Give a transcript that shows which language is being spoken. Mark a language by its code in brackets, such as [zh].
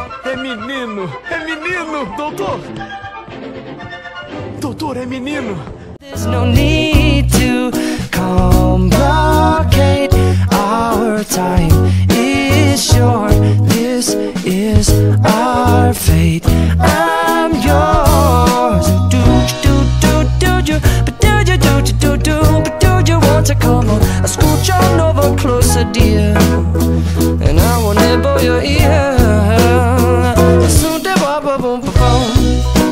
[pt] É menino, é menino, doutor. Doutor, é menino. [en] There's no need to complicate our time. It's short, this is our fate. I'm yours. Do do do do do do do do do do do do do do do do do do do do do do do do do do do do do do do do do do do do do do do.